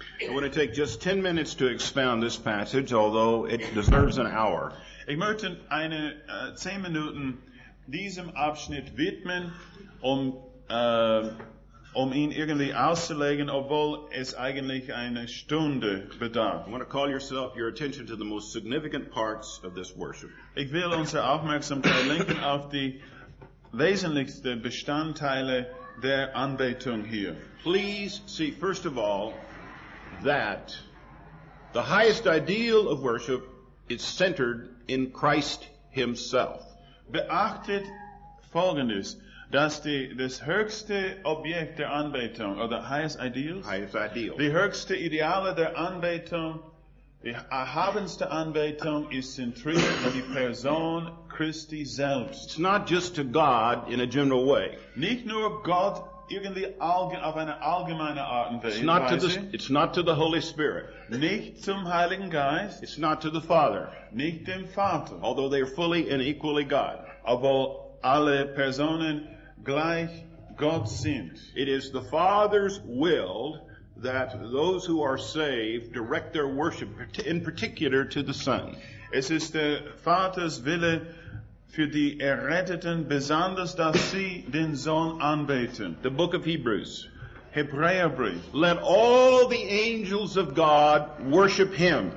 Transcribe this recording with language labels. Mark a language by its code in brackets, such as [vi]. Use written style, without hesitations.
[en] I want to take just 10 minutes to expound this passage, although it deserves an hour. [de] Ich möchte 10 Minuten diesem Abschnitt widmen, um ihn irgendwie auszulegen, obwohl es eigentlich eine Stunde bedarf. [en] I want to call your attention to the most significant parts of this worship. [de] Ich will unsere Aufmerksamkeit lenken auf die wesentlichsten Bestandteile der Anbetung hier. [en] Please see, first of all, that the highest ideal of worship is centered in Christ himself. [de] Beachtet Folgendes. Dass das höchste Objekt der Anbetung, oder [en] highest ideals? Highest ideal. [de] Die höchste Ideale der Anbetung, die erhabenste Anbetung, ist zentriert in die Person Christi selbst. [en] It's not just to God in a general way. [de] Nicht nur Gott auf eine allgemeine Art und Weise. [en] It's not to the Holy Spirit. [de] Nicht zum Heiligen Geist. [en] It's not to the Father. [de] Nicht dem Vater. [en] Although they are fully and equally God. [de] Obwohl alle Personen gleich Gott sind. [en] It is the Father's will that those who are saved direct their worship in particular to the Son. [de] Es ist der Vaters Wille für die Erretteten, besonders dass sie den Sohn anbeten. [en] The book of Hebrews. [de] Hebräerbrief. [en] Let all the angels of God worship him.